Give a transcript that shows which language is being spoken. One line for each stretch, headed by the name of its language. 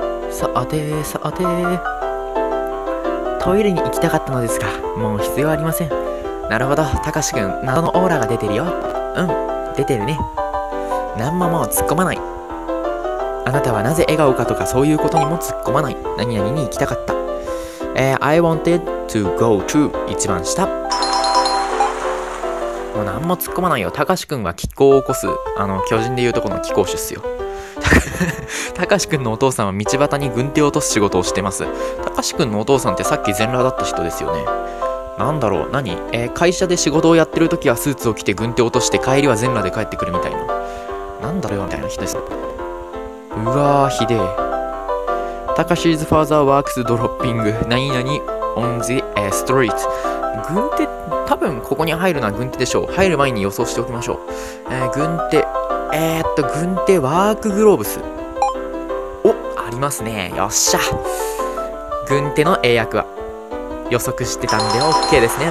Japanese: さてさて、トイレに行きたかったのですが、もう必要ありません。なるほど、たかし君、謎のオーラが出てるよ。うん、出てるね。何ももう突っ込まない。あなたはなぜ笑顔かとかそういうことにも突っ込まない。何々に行きたかった。
English: I wanted to go to
Japanese: 一番下。もう何も突っ込まないよ。たかし君は気功を起こす、巨人でいうとこの気功手っすよ。たかし君のお父さんは道端に軍手を落とす仕事をしてます。たかし君のお父さんってさっき全裸だった人ですよね。なんだろう、何、会社で仕事をやってる時はスーツを着て軍手を落として帰りは全裸で帰ってくるみたいな、なんだろうみたいな人です。うわーひでえ。
English: たかし's father works dropping
Japanese: 何々
English: on the street。
Japanese: 軍手、多分ここに入るのは軍手でしょう。入る前に予想しておきましょう。軍手、軍手ワークグローブス、お、ありますね。よっしゃ、軍手の英訳は予測してたんで OK ですね。